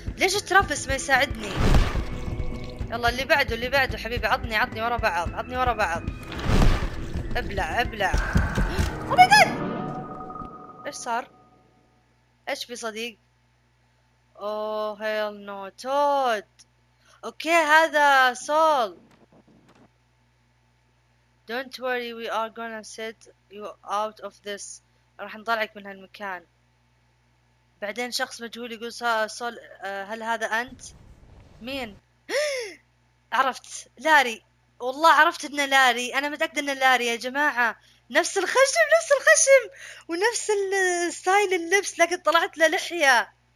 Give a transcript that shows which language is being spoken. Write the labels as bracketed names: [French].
[Arabic] ليش ترفس ما يساعدني؟ يلا اللي بعده اللي بعده حبيبي، عطني عطني ورا بعض، عطني ورا بعض. ابلع ابلع. او ماي جاد، ايش صار؟ ايش في صديق؟ او هيل نو توت. اوكي هذا سول. [English] Don't worry, we are gonna set you out of this. [Arabic] راح نطلعك من هالمكان. بعدين شخص مجهول يقول سول، هل هذا انت؟ مين؟ عرفت، لاري. والله عرفت انه لاري، انا متأكدة انه لاري يا جماعة. نفس الخشم، نفس الخشم ونفس الستايل اللبس، لكن طلعت له لحية.